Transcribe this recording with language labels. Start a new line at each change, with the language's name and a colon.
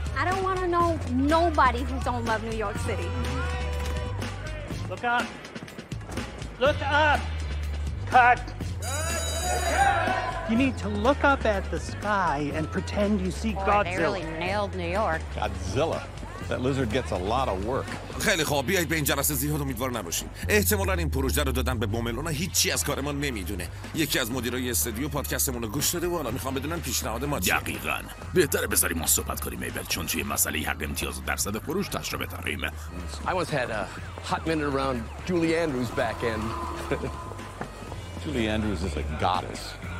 English: I don't want to know nobody who don't love New York City. Look up. Look up. Cut. You need to look up at the sky and pretend you see Godzilla. Boy, they really nailed New York. Godzilla. That lizard gets a lot of work.
Persian: خیلی خوب، بیایید به این جلسه زیاد امیدوار نباشیم. احتمالاً این پروژه رو دادن به بوملونا، هیچی از کار ما نمیدونه. یکی از مدیرای استودیو پادکستمون رو گوش داده و حالا میخوام بدونن پیشنهاد ما چیه. دقیقاً. بهتره بذاریم ما صحبت کنیم ایبل، چون توی مسئله حق امتیاز و درصد فروش تجربه داریم.
English: I was had a hot minute around Julie Andrews back end. Julie Andrews is a goddess.